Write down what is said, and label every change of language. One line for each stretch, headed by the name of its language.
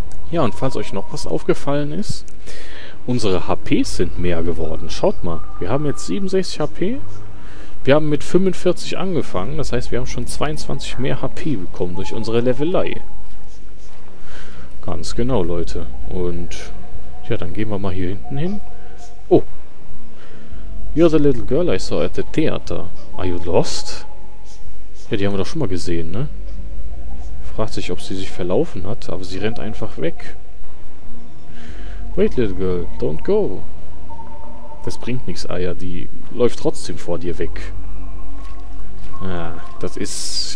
German: Ja, und falls euch noch was aufgefallen ist, unsere HP sind mehr geworden. Schaut mal. Wir haben jetzt 67 HP. Wir haben mit 45 angefangen. Das heißt, wir haben schon 22 mehr HP bekommen durch unsere Levelei. Ganz genau, Leute. Und... ja, dann gehen wir mal hier hinten hin. Oh.
English: You're the little girl I saw at the theater. Are you lost?
German: Ja, die haben wir doch schon mal gesehen, ne? Fragt sich, ob sie sich verlaufen hat, aber sie rennt einfach weg.
English: Wait, little girl, don't go.
German: Das bringt nichts, Eier. Die läuft trotzdem vor dir weg. Ah, das ist...